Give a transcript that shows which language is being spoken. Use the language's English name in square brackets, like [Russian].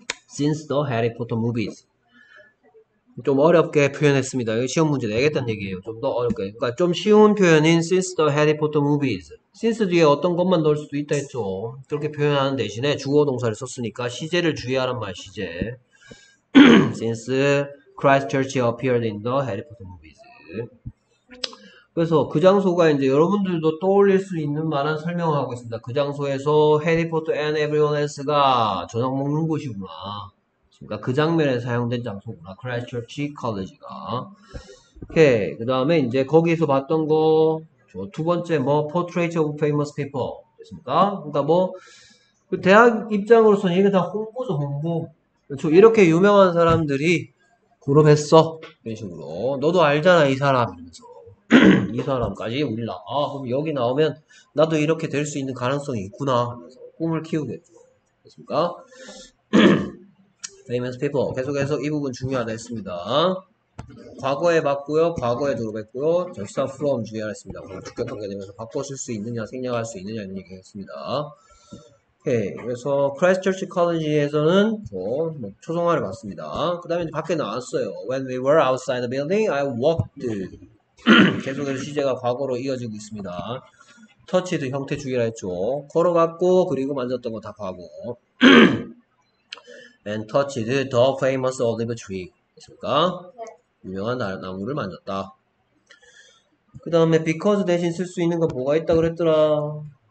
[English] since the Harry Potter movies [Korean] 좀 어렵게 표현했습니다. 이거 시험 문제 내겠다는 얘기예요. 좀더 어렵게. 그러니까 좀 쉬운 표현인 [English] since the Harry Potter movies. [Korean] since 뒤에 어떤 것만 넣을 수도 있다 했죠. 그렇게 표현하는 대신에 주어 동사를 썼으니까 시제를 주의하란 말 시제. [English] since Christ Church appeared in the Harry Potter movies. [Korean] 그래서 그 장소가 이제 여러분들도 떠올릴 수 있는 만한 설명을 하고 있습니다. 그 장소에서 Harry Potter and everyone else가 저녁 먹는 곳이구나. 그러니까 그 장면에 사용된 장소구나. Christchurch College가. 오케이. 그 다음에 이제 거기서 봤던 거, 두 번째 뭐, [English] Portrait of Famous People. [Korean] 됐습니까? 그러니까 뭐, 그 대학 입장으로서는 이게 다 홍보죠, 홍보. 그렇죠? 이렇게 유명한 사람들이 졸업했어. 이런 식으로. 너도 알잖아, 이 사람. 이러면서. 이 사람까지 올라. 아, 그럼 여기 나오면 나도 이렇게 될수 있는 가능성이 있구나. 하면서 꿈을 키우겠죠. 됐습니까? famous people. 계속해서 이 부분 중요하다 했습니다. 과거에 봤고요. 과거에 졸업했고요. 전치사 from 중요하다 했습니다. 주격 관계되면서 바꿔쓸 수 있느냐, 생략할 수 있느냐 이런 얘기 했습니다. 오케이. 그래서 크라이스트처치 칼리지에서는 뭐 초성화를 봤습니다. 그 다음에 밖에 나왔어요. [English] When we were outside the building, I walked. [Korean] 계속해서 시제가 과거로 이어지고 있습니다. 터치도 형태주의라 했죠. 걸어갔고 그리고 만졌던 거다 과거. [English] And touched the famous olive tree. [Korean] 됐습니까? 유명한 나무를 만졌다. 그 다음에 because 대신 쓸수 있는 거 뭐가 있다 그랬더라?